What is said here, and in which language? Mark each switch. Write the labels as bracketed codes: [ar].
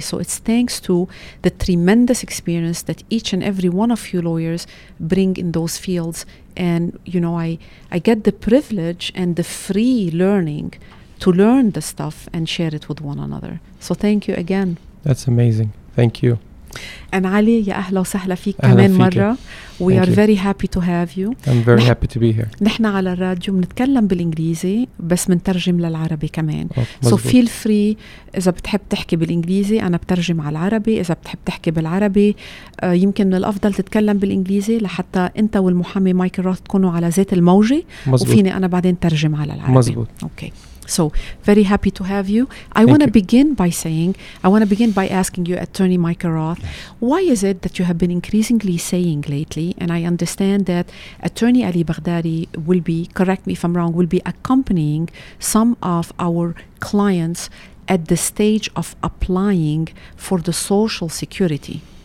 [en] So it's thanks to the tremendous experience that each and every one of you lawyers bring in those fields. And, you know, I get the privilege and the free learning to learn the stuff and share it with one another. So thank you again. That's amazing. Thank you. [ar] And Ali, يا أهلا وسهلا فيك كمان مرة. [en] We are very happy to have you. I'm very happy to be here. [ar] نحن على الراديو منتكلم بالإنجليزي بس منترجم للعربي كمان. [en] So feel free [ar] إذا بتحب تحكي بالإنجليزي أنا بترجم على العربي. إذا بتحب تحكي بالعربي يمكن من الأفضل تتكلم بالإنجليزي لحتى أنت والمحامي مايكل روث تكونوا على ذات الموجة وفيني أنا بعدين ترجم على العربي. مزبوط. [en] Okay. So, very happy to have you. I want to begin by asking you, Attorney Michael Roth, why is it that you have been increasingly saying lately, and I understand that Attorney Ali Baghdadi will be, correct me if I'm wrong, will be accompanying some of our clients at the stage of applying for the Social Security.